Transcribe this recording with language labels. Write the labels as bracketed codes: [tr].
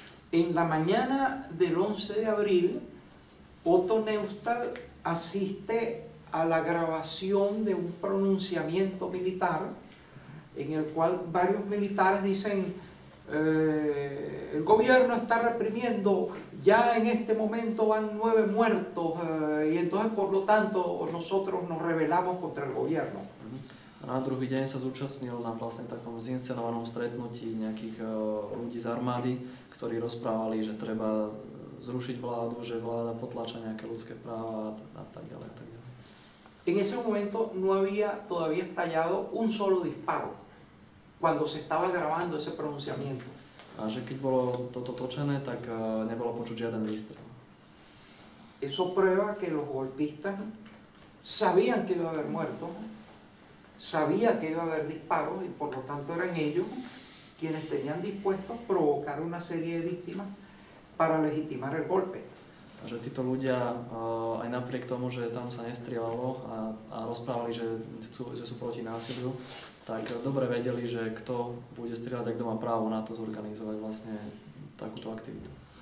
[es] En la mañana del 11 de abril, Otto Neustadt asiste a la grabación de un pronunciamiento militar en el cual varios militares dicen: el gobierno está reprimiendo, ya en este momento van 9 muertos, y entonces por lo tanto nosotros nos rebelamos contra el gobierno. [sk] A na druhý deň sa zúčastnil na vlastne takom zinscenovanom stretnutí nejakých ľudí z armády, ktorí rozprávali, že treba zrušiť vládu, že vláda potláča nejaké ľudské práva a tak ďalej. [es] En ese momento no había todavía estallado un solo disparo cuando se estaba grabando ese pronunciamiento. [sk] A že keď bolo toto točené, tak nebolo počuť žiaden výstrel. [es] Eso prueba que los golpistas sabían que iba a haber muerto, sabía que iba a haber disparos y por lo tanto eran ellos quienes tenían dispuestos provocar una serie de víctimas para legitimar el golpe. [sk] Že títo ľudia, aj napriek tomu, že tam sa nestrieľalo a rozprávali, že sú proti násiliu, tak dobre vedeli, že kto bude strieľať a kto má právo na to zorganizovať vlastne takúto aktivitu.